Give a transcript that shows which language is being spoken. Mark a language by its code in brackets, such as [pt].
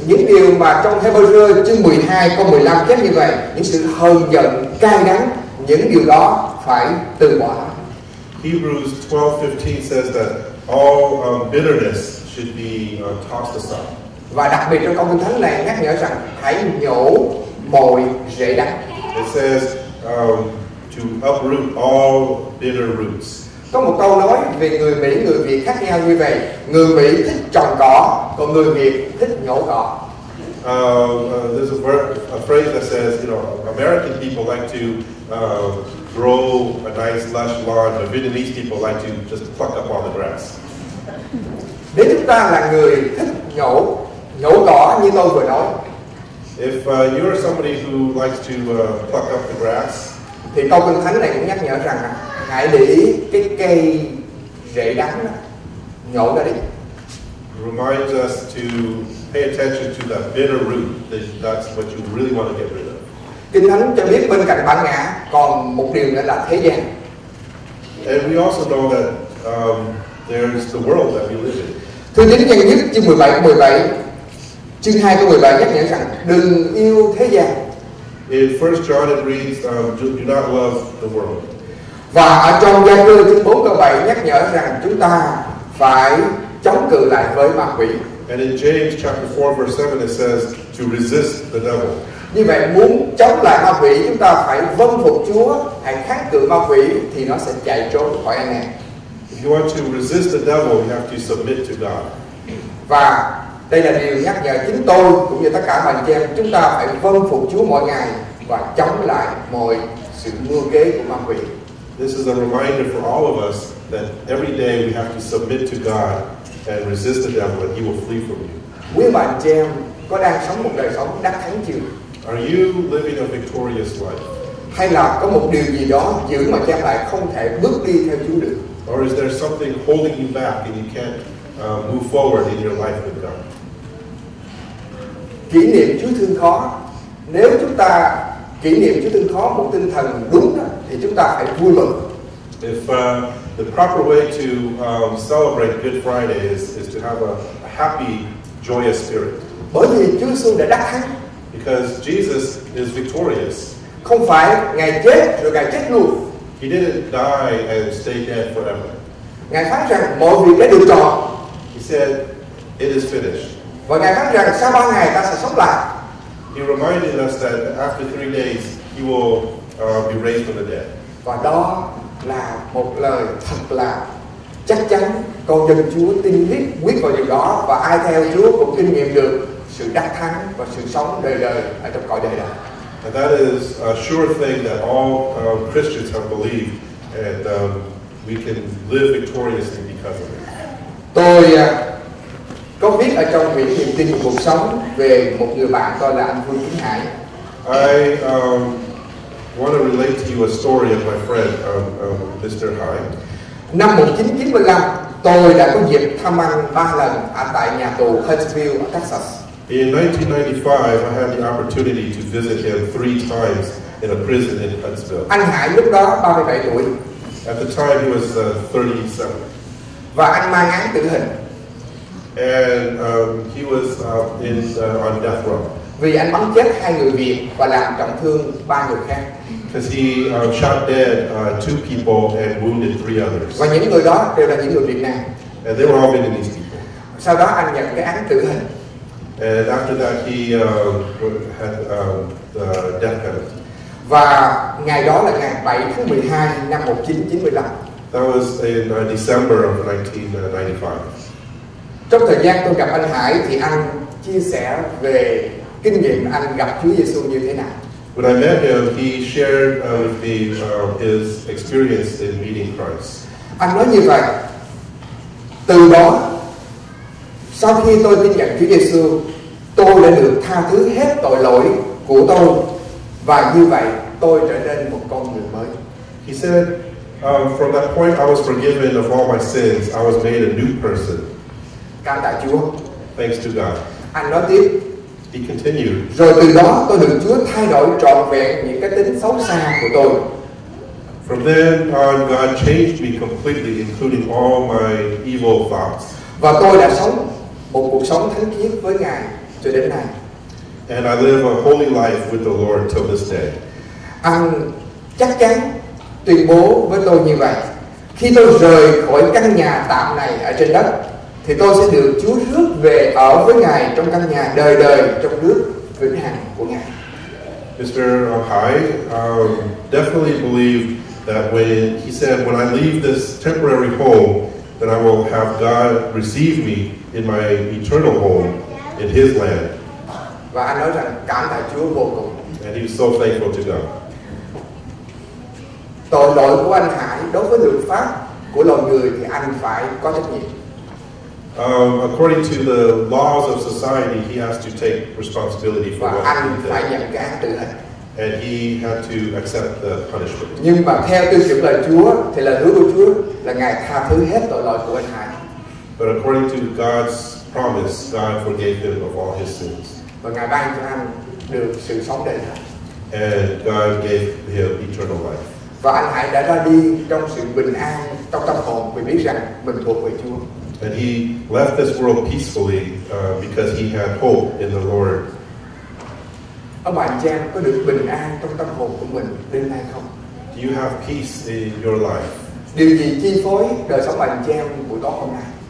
[vi] Những điều mà trong Hebrews chương 12 câu 15 chép như vậy, những sự hờn giận, cay đắng, những điều đó phải từ bỏ. [en] Hebrews 12:15 says that all bitterness should be tossed aside. [vi] Và đặc biệt trong câu Kinh Thánh này nhắc nhở rằng hãy nhổ mọi rễ đắng. [en] It says to uproot all bitter roots. [vi] Có một câu nói về người Mỹ, người Việt khác nhau như vậy. Người Mỹ thích trồng cỏ, còn người Việt thích nhổ cỏ. [en] There's a phrase that says, you know, American people like to grow a nice lush lawn, but Vietnamese people like to just pluck up all the grass. [vi] Nếu chúng ta là người thích nhổ cỏ như tôi vừa nói, [en] if you are somebody who likes to pluck up the grass, [vi] thì câu Kinh Thánh này cũng nhắc nhở rằng hãy để cái cây rễ đắng nhổ ra đi. [en] Reminds us to pay attention to that bitter root. That's what you really want to get rid of. [vi] Kinh Thánh cho biết bên cạnh bản ngã còn một điều nữa là thế gian. [en] And we also know that there's the world that we live in. [vi] Thưa tín nhân nhất chương 17 câu 17, chương 2 câu 17 nhắc nhở rằng đừng yêu thế gian. [en] In 1 John it reads, do not love the world. [vi] Và ở trong Gia-cơ chương 4 câu 7 nhắc nhở rằng chúng ta phải chống cự lại với ma quỷ. [en] And in James chapter 4 verse 7 it says to resist the devil. [vi] Như vậy muốn chống lại ma quỷ chúng ta phải vâng phục Chúa, hãy kháng cự ma quỷ thì nó sẽ chạy trốn khỏi anh em. [en] If you want to resist the devil, you have to submit to God. [vi] Và đây là điều nhắc nhở chính tôi cũng như tất cả mọi anh em, chúng ta phải vâng phục Chúa mỗi ngày và chống lại mọi sự mưu kế của ma quỷ. [en] This is a reminder for all of us that every day we have to submit to God and resist the devil and he will flee from you. [vi] Quý bạn trẻ có đang sống một đời sống đắc thắng chưa? [en] Are you living a victorious life? [vi] Hay là có một điều gì đó giữ mà cha lại không thể bước đi theo Chúa được? [en] Or is there something holding you back and you can't move forward in your life with God? [vi] Kỷ niệm Chúa thương khó. Nếu chúng ta kỷ niệm Chúa thương khó một tinh thần đúng đó, thì chúng ta phải vui mừng. [en] If the proper way to celebrate Good Friday is to have a happy, joyous spirit. [vi] Bởi vì Chúa Giêsu đã đắc thắng. [en] Because Jesus is victorious. [vi] Không phải Ngài chết rồi Ngài chết luôn. [en] He didn't die and stay dead forever. [vi] Ngài phán rằng mọi việc đã được tròn. [en] He said, it is finished. [vi] Và Ngài phán rằng sau 3 ngày ta sẽ sống lại. [en] He reminded us that after 3 days he will be raised from the dead. [vi] Và đó là một lời thật là chắc chắn. Con dân Chúa tin nhất quyết vào điều đó và ai theo Chúa cũng kinh nghiệm được sự đắc thắng và sự sống đời đời ở trong cõi đời đời. [en] And that is a sure thing that all Christians have believed, and we can live victoriously because of it. [vi] Tôi có biết ở trong quyển niềm tin cuộc sống về một người bạn tôi là anh Vương Tiến Hải. [en] I want to relate to you a story of my friend, Mr. Hải. [vi] Năm 1995, tôi đã có dịp thăm anh 3 lần ở tại nhà tù Huntsville, Texas. [en] In 1995, I had the opportunity to visit him 3 times in a prison in Huntsville. [vi] Anh Hải lúc đó 37 tuổi. [en] At the time, he was 37. [vi] Và anh mang án tử hình. [en] And he was on death row. [vi] Vì anh bắn chết 2 người Việt và làm trọng thương 3 người khác. [en] Because he shot dead 2 people and wounded 3 others. [vi] Và những người đó đều là những người Việt Nam. [en] And they were all Vietnamese people. [vi] Sau đó anh nhận cái án tử hình. [en] And after that, he had the death penalty. [vi] Và ngày đó là ngày 7 tháng 12 năm 1995. [en] That was in December of 1995. [vi] Trong thời gian tôi gặp anh Hải, thì anh chia sẻ về kinh nghiệm anh gặp Chúa Giêsu như thế nào. [en] When I met him, he shared his experience in meeting Christ. [vi] Anh nói như vậy. Từ đó, sau khi tôi tin nhận Chúa Giêsu, tôi đã được tha thứ hết tội lỗi của tôi và như vậy tôi trở nên một con người mới. [en] He said, from that point I was forgiven of all my sins. I was made a new person. [vi] Cảm tạ Chúa. [en] Thanks to God. [vi] Anh nói tiếp. [en] He continued. [vi] Rồi từ đó tôi được Chúa thay đổi trọn vẹn những cái tính xấu xa của tôi. [en] From then on, God changed me completely, including all my evil thoughts. [vi] Và tôi đã sống một cuộc sống thánh khiết với Ngài cho đến nay. [en] And I live a holy life with the Lord till this day. [vi] Anh chắc chắn tuyên bố với tôi như vậy. Khi tôi rời khỏi căn nhà tạm này ở trên đất, thì tôi sẽ được Chúa rước về ở với Ngài trong căn nhà đời đời trong nước vĩnh hằng của Ngài. [en] Mr. Hải definitely believed that when he said, when I leave this temporary home, that I will have God receive me in my eternal home, in His land. [vi] Và anh nói rằng cảm tạ Chúa vô cùng. [en] And he was so thankful to God. [vi] Tội lỗi của anh Hải đối với luật pháp của loài người thì anh phải có trách nhiệm. [en] According to the laws of society, he has to take responsibility for [vi] và [en] what he did. [vi] Phải nhận cái án tử hình. [en] And he had to accept the punishment. [vi] Nhưng mà theo tiêu chuẩn lời Chúa thì lời hứa của Chúa là Ngài tha thứ hết tội lỗi của anh Hải. [en] But according to God's promise, God forgave him of all his sins. [vi] Và Ngài ban cho anh được sự sống đời đời. [en] And God gave him eternal life. [vi] Và anh Hải đã ra đi trong sự bình an trong tâm hồn vì biết rằng mình thuộc về Chúa. [en] And he left this world peacefully because he had hope in the Lord. [vi] Ông bạn Giang có được bình an trong tâm hồn của mình đêm nay không? [en] Do you have peace in your life? [vi] Điều gì chi phối đời sống bạn Giang buổi tối hôm nay?